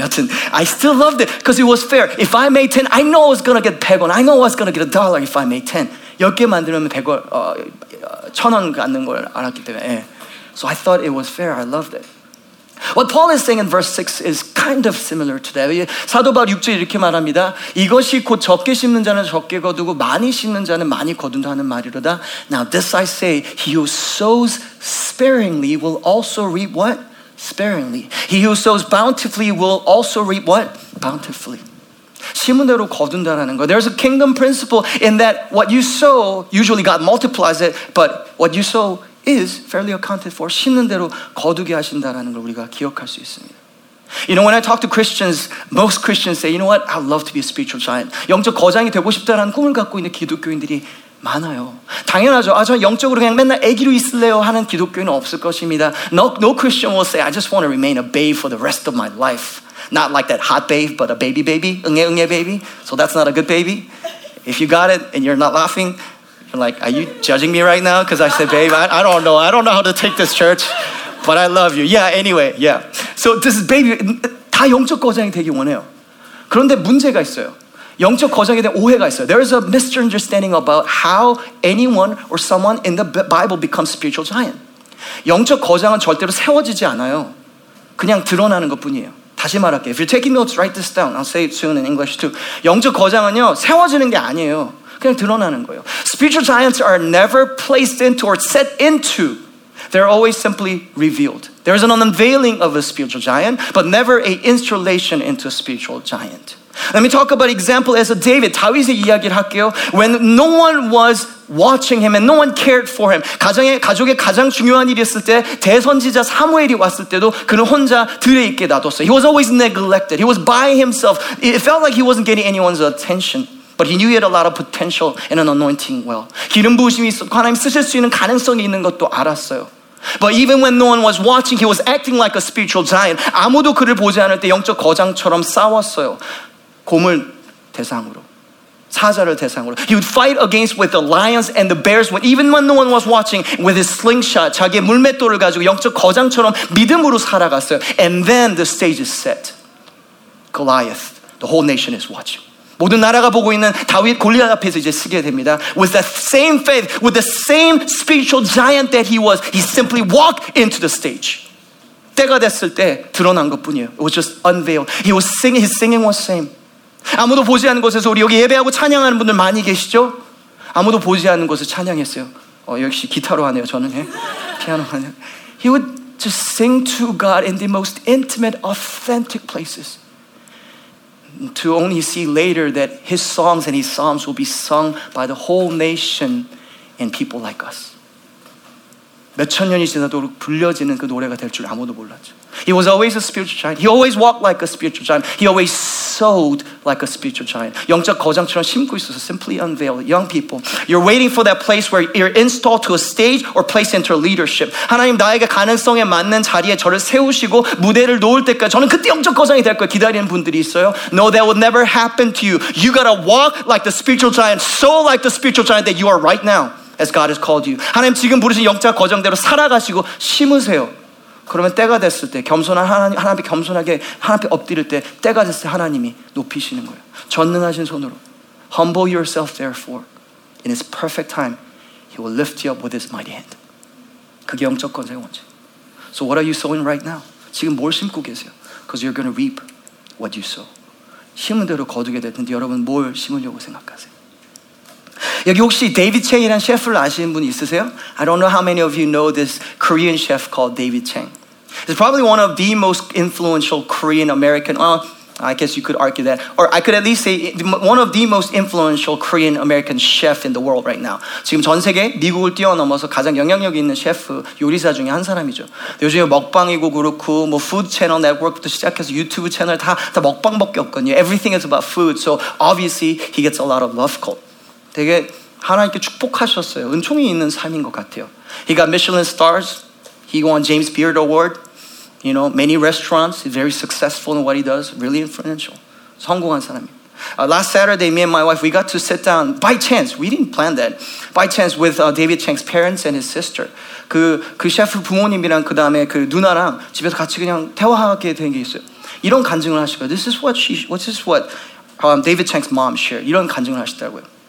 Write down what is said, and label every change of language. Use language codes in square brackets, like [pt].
[ko] 하여튼 [en] I still loved it because it was fair. If I made 10, I know I was going to get 100원. I know I was going to get a dollar if I made 10. [ko] 10개 만들면 100원, 1,000원 갖는 걸 알았기 때문에. [en] 예. So I thought it was fair. I loved it. What Paul is saying in verse 6 is kind of similar to that. [ko] 사도 바울 6절 이렇게 말합니다. 이것이 곧 적게 심는 자는 적게 거두고 많이 심는 자는 많이 거둔다 하는 말이로다. [en] Now this I say, he who sows sparingly will also reap what? Sparingly. He who sows bountifully will also reap what? Bountifully. [ko] 심은 대로 거둔다라는 거. [en] There's a kingdom principle in that what you sow, usually God multiplies it, but what you sow is fairly accounted for. [ko] 심는 대로 거두게 하신다라는 걸 우리가 기억할 수 있습니다. [en] You know, when I talk to Christians, most Christians say, you know what, I'd love to be a spiritual giant. [ko] 영적 거장이 되고 싶다라는 꿈을 갖고 있는 기독교인들이 많아요. 당연하죠. 아, 저는 영적으로 그냥 맨날 아기로 있을래요 하는 기독교인은 없을 것입니다. [en] No Christian will say, I just want to remain a babe for the rest of my life. Not like that hot babe, but a baby baby, [ko] 응애 응애 [en] baby. So that's not a good baby. If you got it and you're not laughing, you're like, are you judging me right now? Because I said, babe, I don't know. I don't know how to take this church, but I love you. Yeah, anyway, yeah. So this is baby, [ko] 다 영적 거장이 되기 원해요. 그런데 문제가 있어요. 영적 거장에 대한 오해가 있어요. [en] There is a misunderstanding about how anyone or someone in the Bible becomes spiritual giant. [ko] 영적 거장은 절대로 세워지지 않아요. 그냥 드러나는 것뿐이에요. 다시 말할게요. [en] If you're taking notes, write this down. I'll say it soon in English too. [ko] 영적 거장은요, 세워지는 게 아니에요. 그냥 드러나는 거예요. [en] Spiritual giants are never placed into or set into. They're always simply revealed. There is an unveiling of a spiritual giant, but never an installation into a spiritual giant. Let me talk about example as a David. [ko] 다윗의 이야기를 할게요. [en] When no one was watching him and no one cared for him. [ko] 가족의 가장 중요한 일이었을 때 대선지자 사무엘이 왔을 때도 그는 혼자 들에 있게 놔뒀어요. [en] He was always neglected. He was by himself. It felt like he wasn't getting anyone's attention. But he knew he had a lot of potential in an anointing well. [ko] 기름 부으심이 있었고 하나님 쓰실 수 있는 가능성이 있는 것도 알았어요. [en] But even when no one was watching, he was acting like a spiritual giant. [ko] 아무도 그를 보지 않을 때 영적 거장처럼 싸웠어요. 곰을 대상으로, 사자를 대상으로. [en] He would fight against with the lions and the bears when, even when no one was watching, with his slingshot, [ko] 자기의 물맷돌을 가지고 영적 거장처럼 믿음으로 살아갔어요. [en] And then the stage is set. Goliath, the whole nation is watching. [ko] 모든 나라가 보고 있는 다윗 골리앗 앞에서 이제 쓰게 됩니다. [en] With the same faith, with the same spiritual giant that he was, he simply walked into the stage. [ko] 때가 됐을 때 드러난 것뿐이에요. [en] It was just unveiled. He was singing, his singing was same. [ko] 아무도 보지 않는 곳에서 우리 여기 예배하고 찬양하는 분들 많이 계시죠? 아무도 보지 않는 곳에서 찬양했어요. 역시 기타로 하네요, 저는. 피아노 하네요. [en] He would just sing to God in the most intimate, authentic places. To only see later that his songs and his psalms will be sung by the whole nation and people like us. [ko] 몇천 년이 지나도록 불려지는 그 노래가 될 줄 아무도 몰랐죠. [en] He was always a spiritual giant. He always walked like a spiritual giant. He always sowed like a spiritual giant. [ko] 영적 거장처럼 심고 있어서 [en] simply unveiled. Young people, you're waiting for that place where you're installed to a stage or placed into a leadership. [ko] 하나님 나에게 가능성에 맞는 자리에 저를 세우시고 무대를 놓을 때까지 저는 그때 영적 거장이 될 거예요. 기다리는 분들이 있어요. [en] No, that will never happen to you. You gotta walk like the spiritual giant, sow like the spiritual giant that you are right now as God has called you. [ko] 하나님 지금 부르신 영적 거장대로 살아가시고 심으세요. 그러면 때가 됐을 때 겸손한 하나님, 하나님 앞에 겸손하게 하나님 앞에 엎드릴 때 때가 됐을 때 하나님이 높이시는 거예요. 전능하신 손으로. [en] Humble yourself therefore. In his perfect time, he will lift you up with his mighty hand. [ko] 그게 영적 권세의 원칙. [en] So what are you sowing right now? [ko] 지금 뭘 심고 계세요? [en] Because you're going to reap what you sow. [ko] 심은 대로 거두게 됐는데 여러분 뭘 심으려고 생각하세요? 여기 혹시 David Chang이라는 셰프를 아시는 분 있으세요? [en] I don't know how many of you know this Korean chef called David Chang. He's probably one of the most influential Korean-American, I guess you could argue that, or I could at least say one of the most influential Korean-American chef in the world right now. [ko] 지금 전 세계 미국을 뛰어넘어서 가장 영향력 있는 셰프, 요리사 중에 한 사람이죠. 요즘에 먹방이고 그렇고 뭐 food channel network부터 시작해서 유튜브 채널 다 먹방밖에 없거든요. [en] Everything is about food, so obviously he gets a lot of love call. [ko] 되게 하나님께 축복하셨어요. 은총이 있는 삶인 것 같아요. [en] He got Michelin stars. He won James Beard Award. You know, many restaurants. He's very successful in what he does. Really influential. [ko] 성공한 사람이에요. [en] Last Saturday, me and my wife, we got to sit down, by chance, we didn't plan that, by chance with David Chang's parents and his sister. [ko] 그 셰프 부모님이랑 그 다음에 그 누나랑 집에서 같이 그냥 대화하게 된 게 있어요. 이런 간증을 하시고요. [en] This is what David Chang's mom shared. [ko] 이런 간증을 하시더라고요.